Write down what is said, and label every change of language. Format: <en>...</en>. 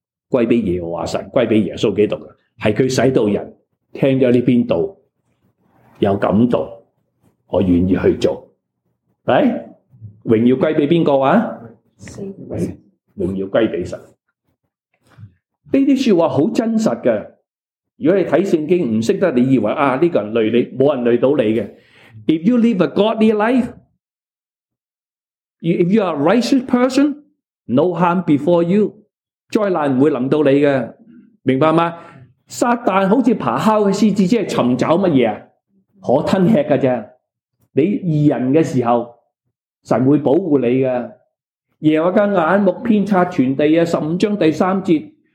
<yue>归俾耶和华神，归俾耶稣基督嘅，系佢使到人听咗呢篇道有感动，我愿意去做。系荣耀归俾边个啊？荣耀归俾神。呢啲说话好真实嘅。如果你睇圣经唔识得，你以为啊呢、这个人累你，冇人累到你嘅。</yue> <en>If you live a godly life, if you are a righteous person, no harm before you.</en> <yue>灾难唔会临到你嘅，明白吗？撒旦好似爬烤嘅狮子，即系寻找乜嘢啊？可吞吃嘅啫。你异人嘅时候，神会保护你嘅。耶和华嘅眼目遍察全地啊，十五章第三节。</yue>